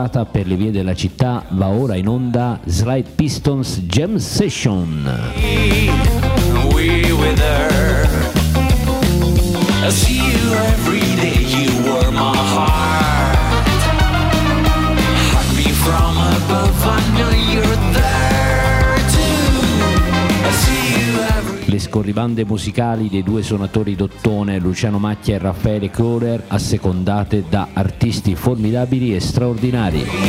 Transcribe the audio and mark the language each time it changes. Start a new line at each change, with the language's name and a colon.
Italian: per le vie della città, va ora in onda Slide Pistons Jam Session.
English: I see you every day, you warm my heart. Hug me from above, I know you're there too. I see you every day.
Italian: Le scorribande musicali dei due suonatori d'ottone, Luciano Macchia e Raffaele Kohler, assecondate da artisti formidabili e straordinari.